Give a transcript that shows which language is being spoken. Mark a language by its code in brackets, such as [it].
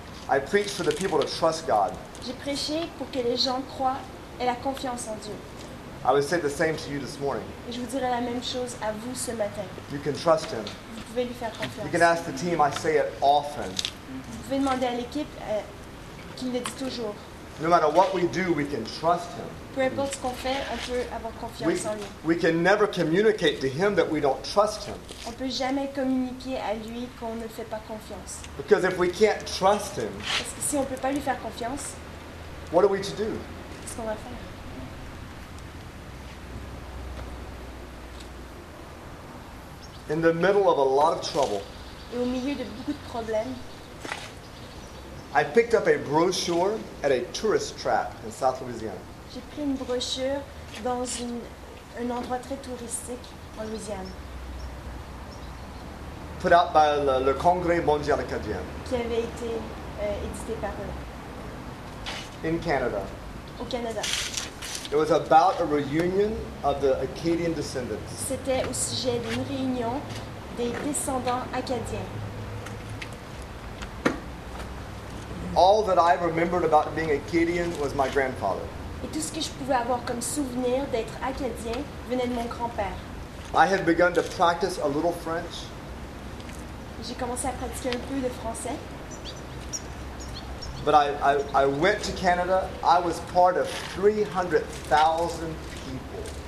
[en] I preached for the people to trust God. [fr] J'ai prêché pour que les gens croient et la confiance en Dieu. [en] I would say the same to you this morning. [fr] Et je vous dirai la même chose à vous ce matin. [en] You can trust him. [fr] Vous pouvez lui faire confiance. [en] You can ask the team, I say it often. [fr] Vous pouvez demander à l'équipe qu'il le dit toujours. [en] No matter what we do, we can trust him. [fr] Peu importe ce qu'on fait, on peut avoir confiance en lui. [en] We can never communicate to him that we don't trust him. [fr] On peut jamais communiquer à lui qu'on ne fait pas confiance. [en] Because if we can't trust him, [fr] parce que si on peut pas lui faire confiance, [en] what are we to do? [fr] Qu'est-ce qu'on va faire? [en] In the middle of a lot of trouble, [fr] et au milieu de beaucoup de problèmes, [en] I picked up a brochure at a tourist trap in South Louisiana. [fr] J'ai pris une brochure dans un endroit très touristique en Louisiane. [en] Put out by le Congrès Mondial Acadien. [fr] Qui avait été édité par eux. [en] In Canada. [fr] Au Canada. [en] It was about a reunion of the Acadian descendants. [fr] C'était au sujet d'une réunion des descendants acadiens. [en] All that I remembered about being Acadian was my grandfather. [fr] Et tout ce que je pouvais avoir comme souvenir d'être acadien venait de mon grand-père. [en] I had begun to practice a little French. [fr] J'ai commencé à pratiquer un peu de français. [en] But I went to Canada. I was part of 300,000 people.